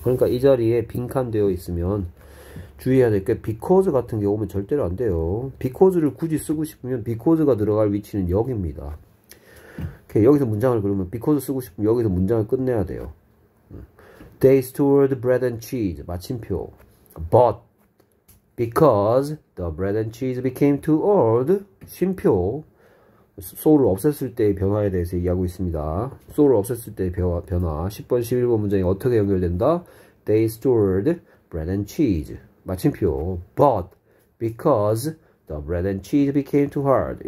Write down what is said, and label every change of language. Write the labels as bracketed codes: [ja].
[ko] 그러니까 이 자리에 빈칸 되어 있으면 주의해야 될게 because 같은 게 오면 절대로 안 돼요. because를 굳이 쓰고 싶으면 because가 들어갈 위치는 여기입니다. 오케이, 여기서 문장을 그러면 because 쓰고 싶으면 여기서 문장을 끝내야 돼요. [en] They stored bread and cheese. [ko] 마침표. [en] But because the bread and cheese became too old. [ko] 쉼표. so를 없앴을 때의 변화에 대해서 이야기하고 있습니다. so를 없앴을 때의 변화. 10번, 11번 문장이 어떻게 연결된다? [en] They stored bread and cheese. [ko] 마침표. [en] But because the bread and cheese became too hard.